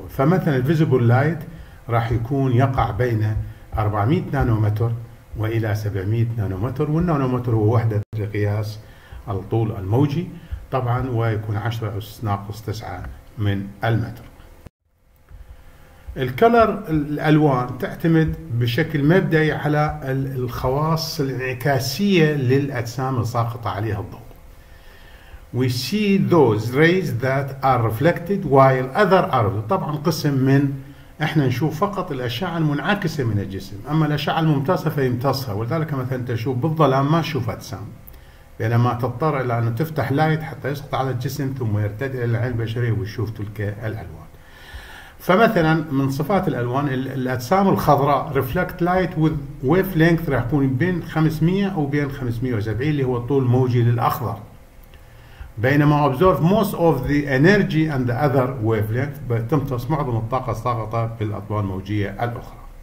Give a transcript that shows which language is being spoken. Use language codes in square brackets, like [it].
[ar] فمثلا الفيزيبل لايت راح يكون يقع بين 400 نانومتر وإلى 700 نانومتر، والنانومتر هو وحدة لقياس الطول الموجي طبعا، ويكون 10 أس ناقص 9 من المتر. الكلر الألوان تعتمد بشكل مبدئي على الخواص الانعكاسية للأجسام الساقطة عليها الضوء. [en] We see those rays that are reflected while other are. [ar] طبعا قسم من احنا نشوف فقط الاشعه المنعكسه من الجسم، اما الاشعه الممتصه فيمتصها، ولذلك مثلا تشوف بالظلام ما تشوف اجسام، بينما تضطر الى ان تفتح لايت حتى يسقط على الجسم ثم يرتدي الى العين البشريه ويشوف تلك الالوان. فمثلا من صفات الالوان الاجسام الخضراء [en] ريفلكت لايت وذ ويف لينث [ar] راح يكون بين 500 او بين 570 اللي هو الطول الموجي للاخضر، بينما [en] ابزورف موست اوف ذا انرجي اند ذا اذر ويف لينث [ar] بتمتص معظم الطاقه الساقطه في الاطوال الموجيه الاخرى.